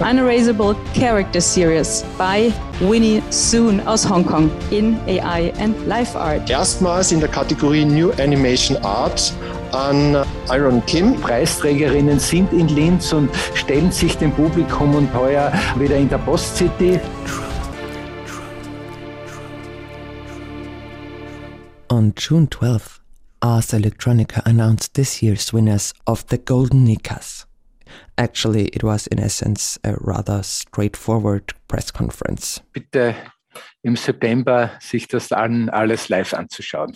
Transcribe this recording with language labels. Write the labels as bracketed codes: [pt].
[en] Unerasable Character Series by Winnie Soon aus Hongkong in AI and Life Art. [de] Erstmals in der Kategorie New Animation Art an Iron Kim. Die Preisträgerinnen sind in Linz und stellen sich dem Publikum und heuer wieder in der Postcity. [en] On June 12th, Ars Electronica announced this year's winners of the Golden Nikas. Actually, it was in essence a rather straightforward press conference. [de] Bitte im September sich das an alles live anzuschauen.